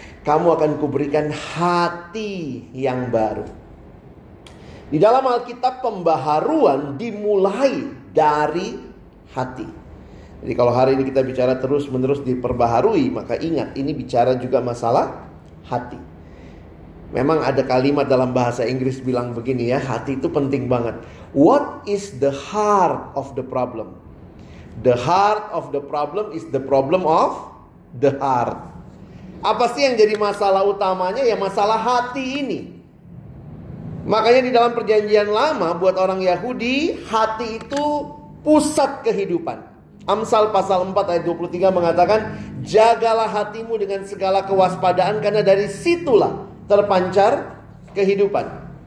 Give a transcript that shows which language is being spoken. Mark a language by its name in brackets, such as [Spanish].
[Indonesian] Kamu akan kuberikan hati yang baru. Di dalam Alkitab pembaharuan dimulai dari hati. Jadi kalau hari ini kita bicara terus-menerus diperbaharui, maka ingat ini bicara juga masalah hati. Memang ada kalimat dalam bahasa Inggris bilang begini, ya, hati itu penting banget. [English] What is the heart of the problem? The heart of the problem is the problem of the heart. [Indonesian] Apa sih yang jadi masalah utamanya? Ya masalah hati ini. Makanya di dalam Perjanjian Lama buat orang Yahudi, hati itu pusat kehidupan. Amsal pasal 4 ayat 23 mengatakan, jagalah hatimu dengan segala kewaspadaan karena dari situlah terpancar kehidupan.